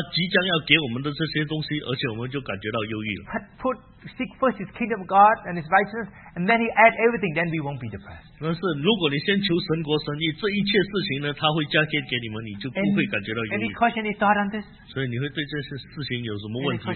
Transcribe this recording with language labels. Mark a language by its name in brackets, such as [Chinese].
[Chinese] 所以很多时候我们寻求他即将要给我们的这些东西, 而且我们就感觉到忧郁了。 [English] Seek first His kingdom of God and His righteousness, and then He add everything, then we won't be depressed. [Chinese] 但是如果你先求神国神义, 这一切事情呢, 他会加添给你们, 你就不会感觉到忧郁。 [English] Any question, any thought on this? [Chinese] 所以你会对这些事情有什么问题吗?